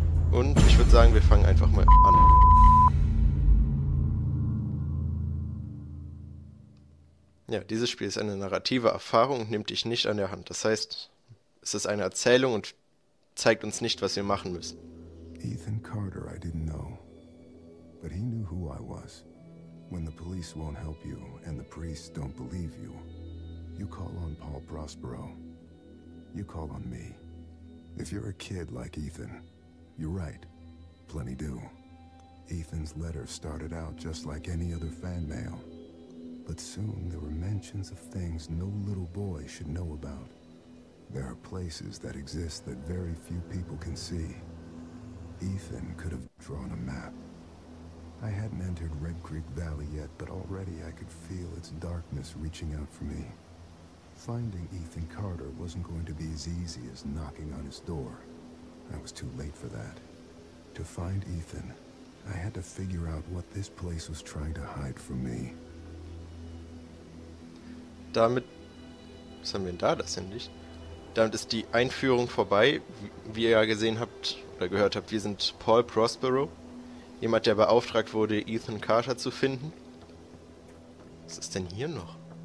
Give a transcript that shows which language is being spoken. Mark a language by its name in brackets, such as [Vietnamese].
[German] Und ich würde sagen, wir fangen einfach mal an. Ja, dieses Spiel ist eine narrative Erfahrung und nimmt dich nicht an der Hand. Das heißt, es ist eine Erzählung und zeigt uns nicht, was wir machen müssen. [English] Ethan Carter, I didn't know. But he knew who I was. When the police won't help you and the priests don't believe you, you call on Paul Prospero. You call on me. If you're a kid like Ethan, you're right. Plenty do. Ethan's letter started out just like any other fan mail. But soon there were mentions of things no little boy should know about. There are places that exist that very few people can see. Ethan could have drawn a map. I hadn't entered Red Creek Valley yet, but already I could feel its darkness reaching out for me. Finding Ethan Carter wasn't going to be as easy as knocking on his door. I was too late for that. To find Ethan, I had to figure out what this place was trying to hide from me. [German] Damit, was haben wir denn da, das endlich? Damit ist die Einführung vorbei. Wie ihr ja gesehen habt oder gehört habt, wir sind Paul Prospero. Jemand, der beauftragt wurde, Ethan Carter zu finden. Was ist denn hier noch?